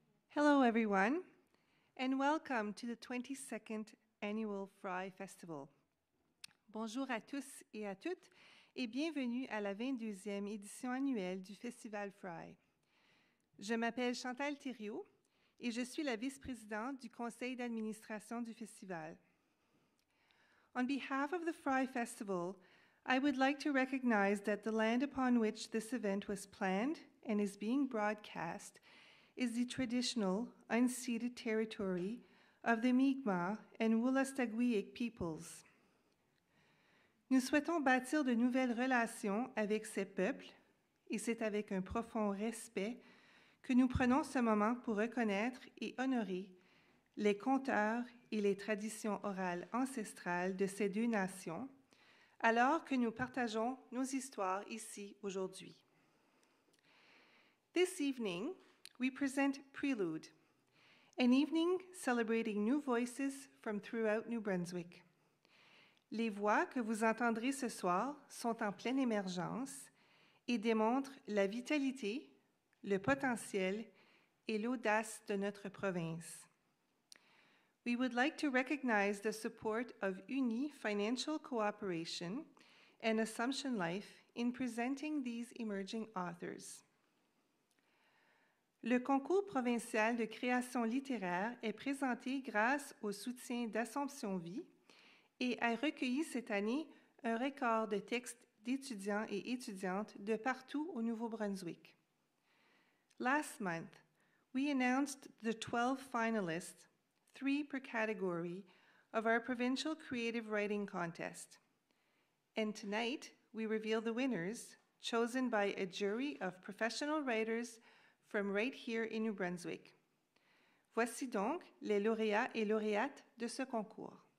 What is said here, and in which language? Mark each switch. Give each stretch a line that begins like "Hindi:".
English: Hello everyone, and welcome to the 22nd Annual Fry Festival.
French: Bonjour à tous et à toutes, et bienvenue à la 22e édition annuelle du Festival Fry. Je m'appelle Chantal Thériault, et je suis la vice-présidente du conseil d'administration du festival.
English: On behalf of the Fry Festival, I would like to recognize that the land upon which this event was planned and is being broadcast is the traditional unceded territory of the Mi'kmaq and Wolastoqiyik peoples.
French: Nous souhaitons bâtir de nouvelles relations avec ces peuples, et c'est avec un profond respect que nous prenons ce moment pour reconnaître et honorer les conteurs et les traditions orales ancestrales de ces deux nations, alors que nous partageons nos histoires ici aujourd'hui.
English: This evening, we present Prelude, an evening celebrating new voices from throughout New Brunswick.
French: Les voix que vous entendrez ce soir sont en pleine émergence et démontrent la vitalité, le potentiel et l'audace de notre province.
English: We would like to recognize the support of UNI Financial Cooperation and Assumption Life in presenting these emerging authors.
French: Le concours provincial de création littéraire est présenté grâce au soutien d'Assomption Vie et a recueilli cette année un record de textes d'étudiants et étudiantes de partout au Nouveau-Brunswick.
English: Last month, we announced the 12 finalists, 3 per category, of our provincial creative writing contest. And tonight, we reveal the winners, chosen by a jury of professional writers from right here in New Brunswick.
French: Voici donc les lauréats et lauréates de ce concours.